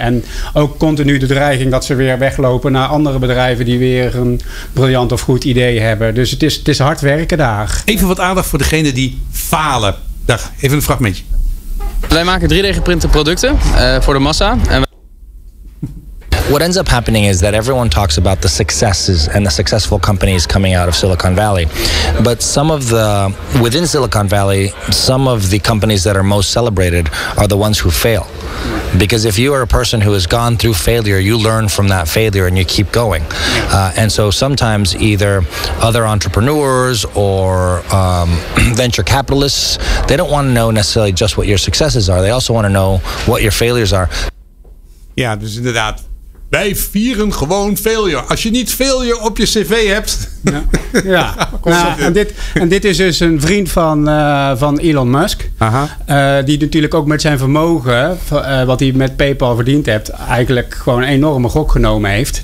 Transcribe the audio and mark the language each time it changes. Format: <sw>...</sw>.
<nl>En ook continu de dreiging dat ze weer weglopen naar andere bedrijven die weer een briljant of goed idee hebben. Dus het is hard werken daar. Even wat aandacht voor degene die falen. Dag, even een fragmentje. Wij maken 3D geprinte producten voor de massa.</nl> <en>What ends up happening is that everyone talks about the successes and the successful companies coming out of Silicon Valley. But within Silicon Valley, some of the companies that are most celebrated are the ones who fail. Because if you are a person who has gone through failure, you learn from that failure and you keep going. And so sometimes either other entrepreneurs or venture capitalists, they don't want to know necessarily just what your successes are. They also want to know what your failures are. Yeah, this is that.</en> <nl>Wij vieren gewoon failure. Als je niet failure op je cv hebt... Ja, ja. Nou, en dit is dus een vriend van Elon Musk. Aha. Die natuurlijk ook met zijn vermogen, wat hij met PayPal verdiend heeft, eigenlijk gewoon een enorme gok genomen heeft.</nl>